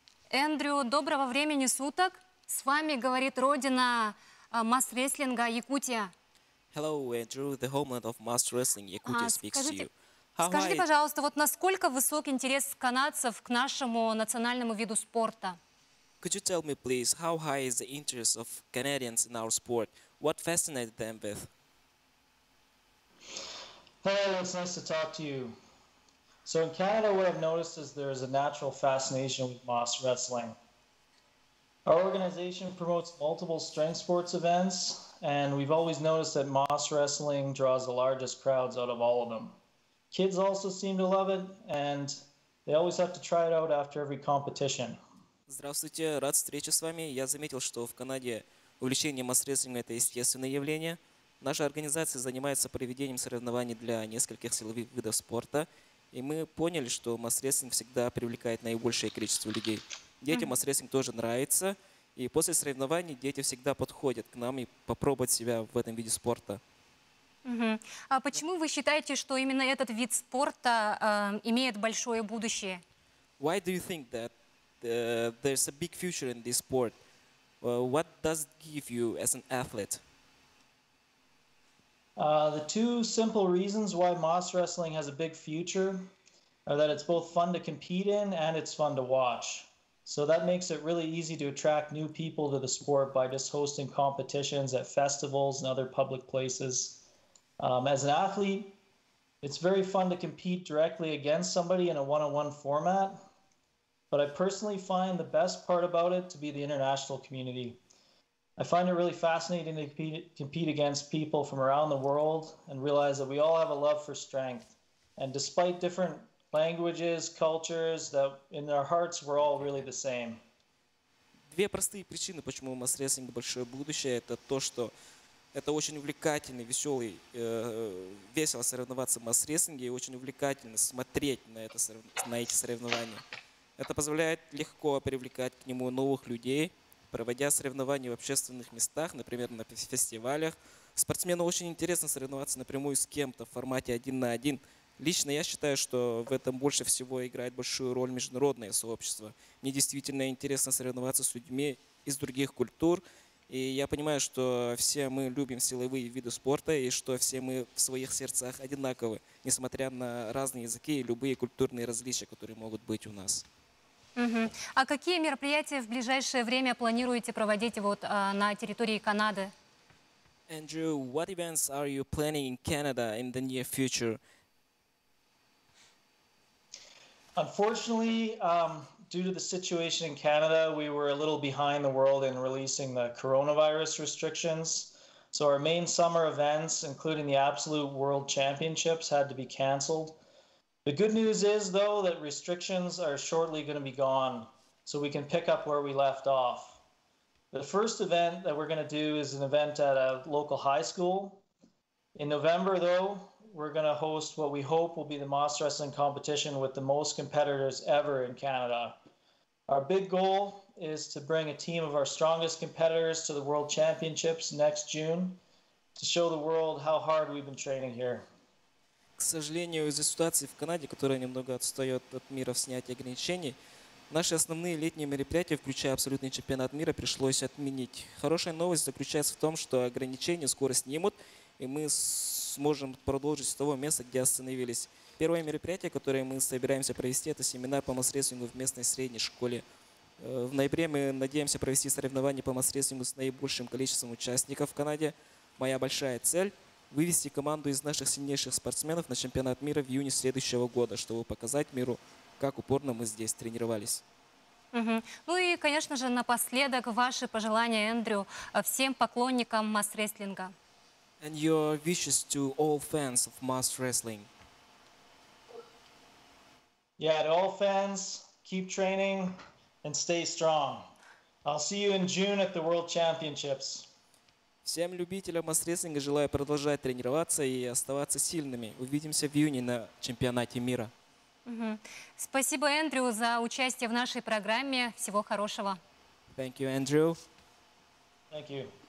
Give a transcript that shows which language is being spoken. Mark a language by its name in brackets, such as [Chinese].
[Russian] Эндрю, доброго времени суток. С вами говорит родина масс рестлинга Якутия. [English] Hello, Andrew. The homeland of mass wrestling, Yakutia, speaks to you. [Russian] Скажите, пожалуйста, вот насколько высок интерес канадцев к нашему национальному виду спорта? [English] Could you tell me, please, how high is the interest of Canadians in our sport? What fascinated them with? Hello, it's nice to talk to you. So in Canada, what I've noticed is there is a natural fascination with mass wrestling. Our organization promotes multiple strength sports events, and we've always noticed that mass wrestling draws the largest crowds out of all of them. Kids also seem to love it, and they always have to try it out after every competition. [Russian] Здравствуйте, рад встрече с вами. Я заметил, что в Канаде увлечение масс рестлингом это естественное явление. Наша организация занимается проведением соревнований для нескольких силовых видов спорта, и мы поняли, что масс рестлинг всегда привлекает наибольшее количество людей. Детям масс рестлинг тоже нравится, и после соревнований дети всегда подходят к нам и попробовать себя в этом виде спорта. А почему вы считаете, что именно этот вид спорта имеет большое будущее? [English] Why do you think that there's a big future in this sport? What does it give you as an athlete? The two simple reasons why mass wrestling has a big future are that it's both fun to compete in and it's fun to watch. So that makes it really easy to attract new people to the sport by just hosting competitions at festivals and other public places. As an athlete, it's very fun to compete directly against somebody in a one-on-one format, but I personally find the best part about it to be the international community. I find it really fascinating to compete against people from around the world and realize that we all have a love for strength. And despite different languages, cultures, that in our hearts we're all really the same. [Russian] Две простые причины, почему масс-рестлинг большое будущее, это то, что это очень увлекательный, веселый, весело соревноваться в масс-рестлинге и очень увлекательно смотреть на, это, на эти соревнования. Это позволяет легко привлекать к нему новых людей, проводя соревнования в общественных местах, например, на фестивалях. Спортсмену очень интересно соревноваться напрямую с кем-то в формате один на один. Лично я считаю, что в этом больше всего играет большую роль международное сообщество. Мне действительно интересно соревноваться с людьми из других культур. И я понимаю, что все мы любим силовые виды спорта, и что все мы в своих сердцах одинаковы, несмотря на разные языки и любые культурные различия, которые могут быть у нас. А какие мероприятия в ближайшее время планируете проводить вот на территории Канады? [English] Andrew, what events are you planning in Canada in the near future? Unfortunately, due to the situation in Canada, we were a little behind the world in releasing the coronavirus restrictions. So our main summer events, including the Absolute World Championships, had to be canceled. The good news is, though, that restrictions are shortly going to be gone, so we can pick up where we left off. The first event that we're going to do is an event at a local high school. In November, though, we're going to host what we hope will be the mass wrestling competition with the most competitors ever in Canada. Our big goal is to bring a team of our strongest competitors to the World Championships next June to show the world how hard we've been training here. [Russian] К сожалению, из-за ситуации в Канаде, которая немного отстает от мира в снятии ограничений, наши основные летние мероприятия, включая абсолютный чемпионат мира, пришлось отменить. Хорошая новость заключается в том, что ограничения скоро снимут, и мы сможем продолжить с того места, где остановились. Первое мероприятие, которое мы собираемся провести, это семинар по масс-рестлингу в местной средней школе. В ноябре мы надеемся провести соревнования по масс-рестлингу с наибольшим количеством участников в Канаде. Моя большая цель – вывести команду из наших сильнейших спортсменов на чемпионат мира в июне следующего года, чтобы показать миру, как упорно мы здесь тренировались. Ну и, конечно же, напоследок ваши пожелания, Эндрю, всем поклонникам масс-рестлинга. [English] And your wishes to all fans of mass wrestling. Yeah, to all fans, keep training and stay strong. I'll see you in June at the World Championships. [Russian] Всем любителям масс рестлинга желаю продолжать тренироваться и оставаться сильными. Увидимся в июне на чемпионате мира. Спасибо, Эндрю, за участие в нашей программе. Всего хорошего. [English] Thank you, Andrew. Thank you.